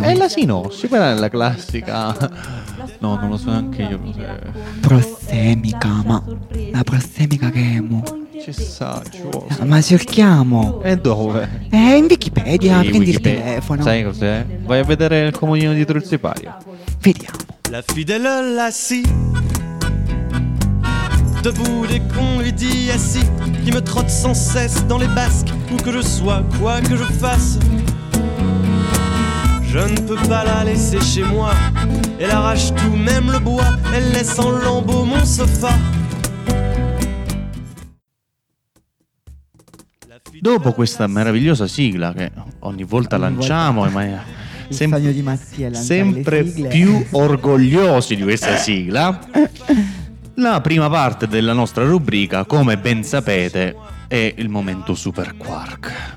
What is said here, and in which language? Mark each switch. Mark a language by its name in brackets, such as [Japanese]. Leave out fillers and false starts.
[Italian] È la sinossi, quella è la classica. No, non lo so neanche io. Prossemica, ma la prossemica che è mo? Ci sa, ma cerchiamo. E dove? In Wikipedia, sì, prendi Wikipedia. Il telefono. Sai cos'è? Vai a vedere il comodino dietro il sipario. Vediamo. [French] La fidèle lassi debout et qu'on lui dit assis, qui me trotte sans cesse dans les basques, où que je sois, quoi que je fasse. Je ne peux pas la laisser chez moi. Elle arrache tout, même le bois. Elle laisse en lambeaux mon sofa. [Italian] Dopo questa meravigliosa sigla che ogni volta lanciamo, ma è il sogno di Mattia, sempre più orgogliosi di questa sigla. La prima parte della nostra rubrica, come ben sapete, è il momento Super Quark.